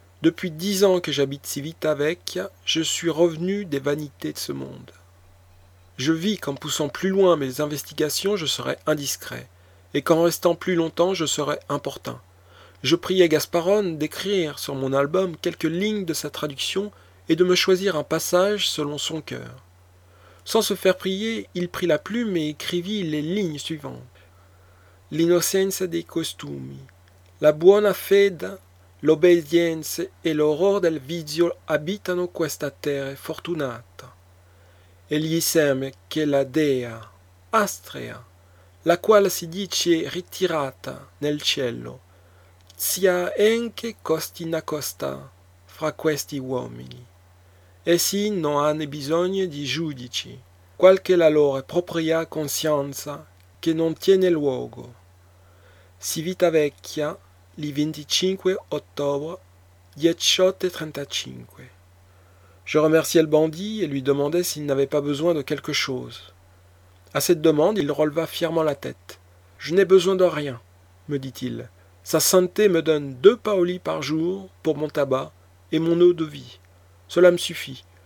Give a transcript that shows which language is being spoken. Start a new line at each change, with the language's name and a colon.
French: Depuis 10 ans que j'habite Civitavecchia, je suis revenu des vanités de ce monde. » Je vis qu'en poussant plus loin mes investigations, je serais indiscret, et qu'en restant plus longtemps, je serais importun. Je priai Gasparone d'écrire sur mon album quelques lignes de sa traduction et de me choisir un passage selon son cœur. Sans se faire prier, il prit la plume et écrivit les lignes suivantes.
Italian: « L'innocenza dei costumi. » La buona fede, l'obbedienza e l'horror del vizio abitano questa terra fortunata. E gli sembra che la dea, Astrea, la quale si dice ritirata nel cielo, sia anche costi nascosta fra questi uomini. Essi non hanno bisogno di giudici, qualche la loro propria coscienza che non tiene luogo.
French: Civitavecchia, le 25 ottobre 1835. Je remerciai le bandit et lui demandai s'il n'avait pas besoin de quelque chose. À cette demande, il releva fièrement la tête. « Je n'ai besoin de rien, » me dit-il. « Sa sainteté me donne 2 paoli par jour pour mon tabac et mon eau de vie. Cela me suffit.